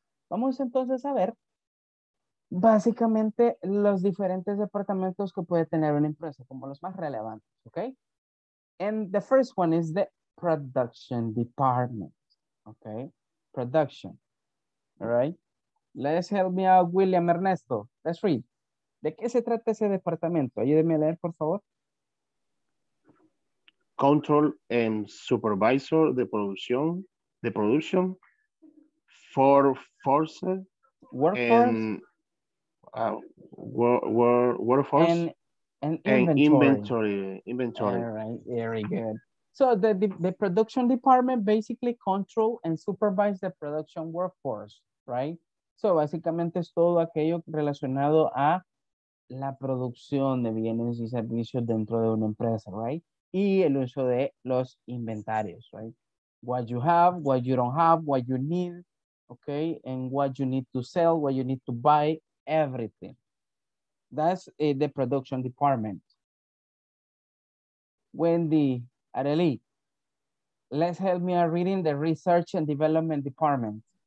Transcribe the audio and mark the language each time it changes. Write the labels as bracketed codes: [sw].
[es] Vamos entonces a ver básicamente los diferentes departamentos que puede tener una empresa, como los más relevantes, okay? [en] And the first one is the production department. Okay, production. All right. Let's help me out, William Ernesto. Let's read. [es] ¿De qué se trata ese departamento? Ayúdeme a leer, por favor. [en] Control and supervisor [es] de producción. De producción. [en] For force. Workforce. And, workforce. And inventory. All right. Very good. So the production department basically control and supervise the production workforce, right? [es] So básicamente es todo aquello relacionado a la producción de bienes y servicios dentro de una empresa, right? Y el uso de los inventarios, right? [en] What you have, what you don't have, what you need, okay? And what you need to sell, what you need to buy, everything. That's the production department. Wendy, Areli, let's help me out reading the research and development department.